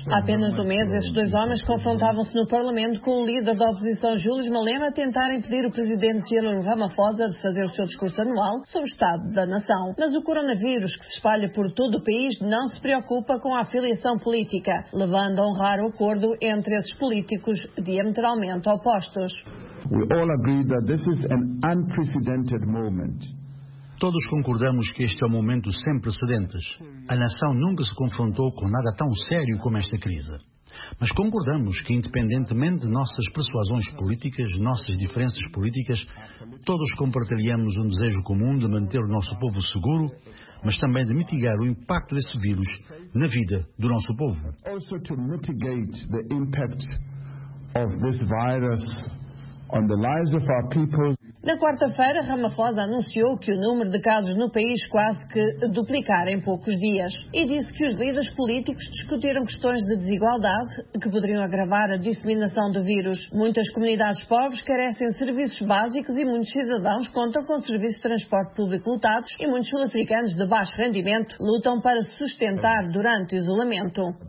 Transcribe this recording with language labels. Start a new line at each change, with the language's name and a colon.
Portuguese: Há apenas um mês, estes dois homens confrontavam-se no Parlamento com o líder da oposição, Julius Malema, a tentar impedir o presidente Cyril Ramaphosa de fazer o seu discurso anual sobre o estado da nação. Mas o coronavírus, que se espalha por todo o país, não se preocupa com a afiliação política, levando a um raro acordo entre esses políticos diametralmente opostos.
English: We all agree that this is an unprecedented moment.
Portuguese: Todos concordamos que este é um momento sem precedentes. A nação nunca se confrontou com nada tão sério como esta crise. Mas concordamos que, independentemente de nossas persuasões políticas, nossas diferenças políticas, todos compartilhamos um desejo comum de manter o nosso povo seguro, mas também de mitigar o impacto desse vírus na vida do nosso povo.
English: Also to mitigate the impact of this virus on the lives of our people.
Portuguese: Na quarta-feira, Ramaphosa anunciou que o número de casos no país quase que duplicara em poucos dias e disse que os líderes políticos discutiram questões de desigualdade que poderiam agravar a disseminação do vírus. Muitas comunidades pobres carecem de serviços básicos e muitos cidadãos contam com serviços de transporte público lotados e muitos sul-africanos de baixo rendimento lutam para se sustentar durante o isolamento.